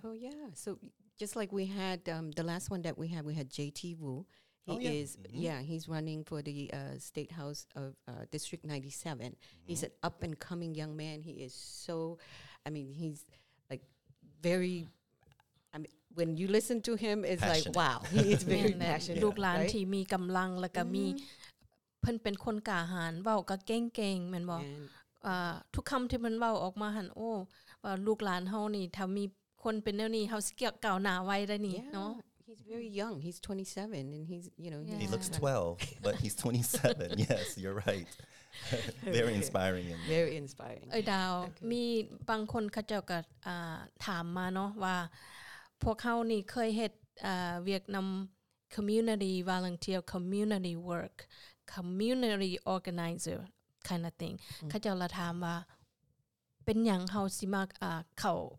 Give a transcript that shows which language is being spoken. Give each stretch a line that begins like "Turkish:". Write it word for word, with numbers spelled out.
English: oh yeah so just like we had um the last one that we had we had J T Wu he oh, yeah. is mm-hmm. yeah he's running for the uh, state house of uh, district ninety-seven mm-hmm. he's an up and coming young man he is so I mean he's like very I mean when you listen to him it's Passionate. like wow he is very passionate
Thai: ลูกหลาน
English: right?
Thai: ที่มีกำลังแล้วก็มีเพิ่นเป็นคนกล้าหาญเว้าก็เก่งๆแม่นบ่อ่าทุกคำที่มันเว้าออกมาหั่นโอ้ว่าลูกหลานเฮานี่ถ้ามีคนเป็นแนวนี้เฮาสิเกี่ยวก้าวหน้าไว้ได้นี่เนาะ
English: he's very young he's twenty-seven and he's you know he looks twelve but he's twenty-seven yes you're right very inspiring and very inspiring
Thai: เอ้ยดาวมีบางคนเขาเจ้าก็อ่าถามมาเนาะว่าพวกเฮานี่เคยเฮ็ดอ่าเวียกนํา
English: community volunteer community work community organizer kind of thing
Thai: เขาเจ้าละถามว่าเป็นหยังเฮาสิมักอ่าเข้า